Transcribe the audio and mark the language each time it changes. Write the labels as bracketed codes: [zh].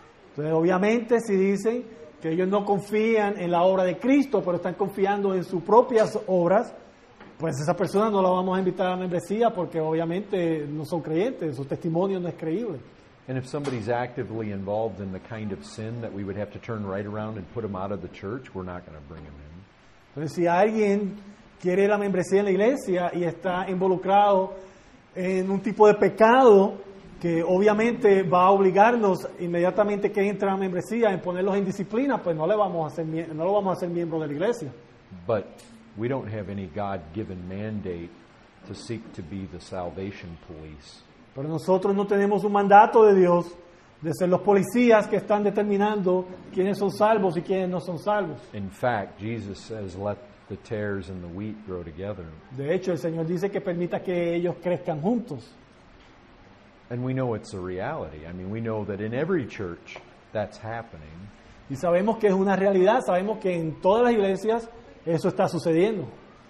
[es] Entonces, obviamente, si dicen que ellos no confían en la obra de Cristo, pero están confiando en sus propias obras, pues esa persona no la vamos a invitar a la membresía porque obviamente no son creyentes, su testimonio no es creíble. [en] And if somebody's actively involved in the kind of sin that we would have to turn right around and put them out of the church, we're not going to bring them in. [es] Entonces, si alguien quiere la membresía en la iglesia y está involucrado en un tipo de pecado que obviamente va a obligarnos inmediatamente que entra a membresía en ponerlos en disciplina, pues no le vamos a hacer miembro de la iglesia. [en] But we don't have any God-given mandate to seek to be the salvation police. [es] Pero nosotros no tenemos un mandato de Dios de ser los policías que están determinando quiénes son salvos y quiénes no son salvos. [en] In fact, Jesus says, the tares and the wheat grow together. [es] De hecho, el Señor dice que permita que ellos crezcan juntos. [en] And we know it's a reality. I mean, we know that in every church that's happening. [es] Y sabemos que es una realidad, sabemos que en todas las iglesias eso está sucediendo.